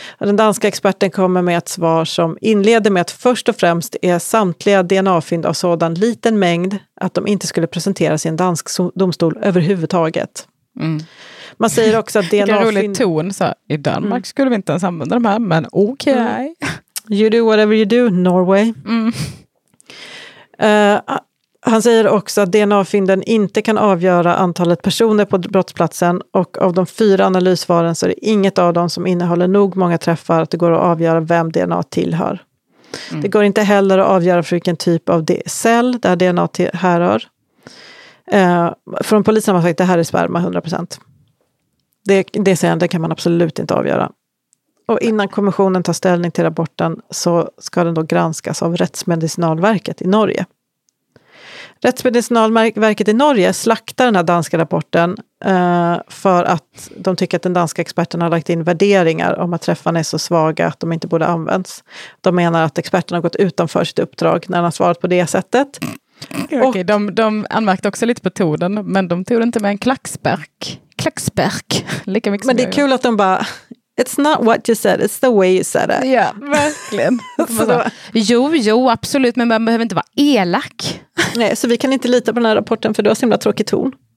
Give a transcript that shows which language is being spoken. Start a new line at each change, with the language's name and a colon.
Swedish: Den danska experten kommer med ett svar som inleder med att först och främst är samtliga DNA-fynd av sådan liten mängd att de inte skulle presenteras i en dansk domstol överhuvudtaget. Mm. Man säger också att DNA-fynd... Vilken rolig ton, så här, i Danmark skulle vi inte ens använda de här, men okej.
English: Okay. You do whatever you do, Norway.
Swedish: Han säger också att DNA-fynden inte kan avgöra antalet personer på brottsplatsen och av de 4 analysvaren så är det inget av dem som innehåller nog många träffar att det går att avgöra vem DNA tillhör. Mm. Det går inte heller att avgöra för vilken typ av cell där DNA härrör. Från polisen har man sagt att det här är sperma 100%. Det kan man absolut inte avgöra. Och innan kommissionen tar ställning till rapporten så ska den då granskas av Rättsmedicinalverket i Norge. Rättsmedicinalverket i Norge slaktar den här danska rapporten för att de tycker att den danska experten har lagt in värderingar om att träffarna är så svaga att de inte borde använts. De menar att experten har gått utanför sitt uppdrag när han har svarat på det sättet. Okej, okay, de anmärkte också lite på tonen, men de tog inte med en klacksperk. Klacksperk, lika mycket. Men det är kul att de bara...
English: It's not what you said, it's the way you said it.
Swedish: Ja, verkligen. Jo, absolut, men man behöver inte vara elak. Nej, så vi kan inte lita på den här rapporten för du har så himla tråkig ton.